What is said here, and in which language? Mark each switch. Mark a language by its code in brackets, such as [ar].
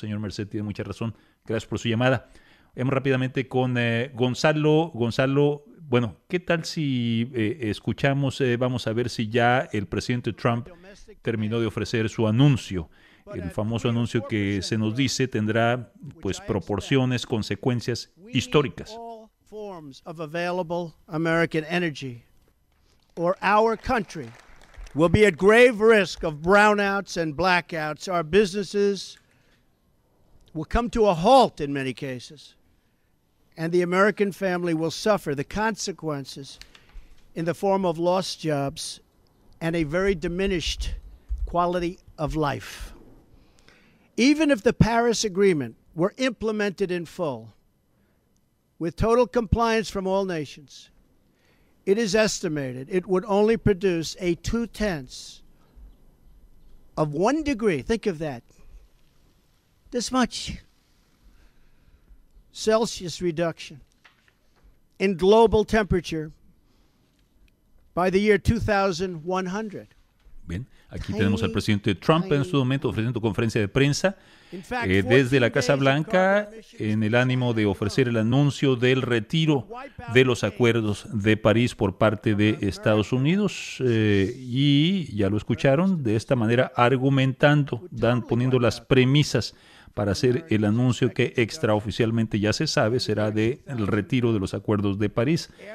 [es] Señor Merced, tiene mucha razón. Gracias por su llamada. Vamos rápidamente con Gonzalo. Gonzalo, bueno, ¿qué tal si escuchamos, vamos a ver si ya el presidente Trump terminó de ofrecer su anuncio, el famoso anuncio que se nos dice tendrá pues proporciones, consecuencias históricas? [en] Forms of available American energy, or our country will be at grave risk of brownouts and blackouts. Our businesses will come to a halt in many cases, and the American family will suffer the consequences in the form of lost jobs and a very diminished quality of life. Even if the Paris Agreement were implemented in full, with total compliance from all nations, it is estimated it would only produce a 0.2 degree, think of that, this much Celsius reduction in global temperature by the year 2100. [es] Bien, aquí tenemos al presidente Trump en su momento ofreciendo conferencia de prensa desde la Casa Blanca, en el ánimo de ofrecer el anuncio del retiro de los acuerdos de París por parte de Estados Unidos. Y ya lo escucharon, de esta manera argumentando, poniendo las premisas para hacer el anuncio que extraoficialmente ya se sabe será del retiro de los acuerdos de París.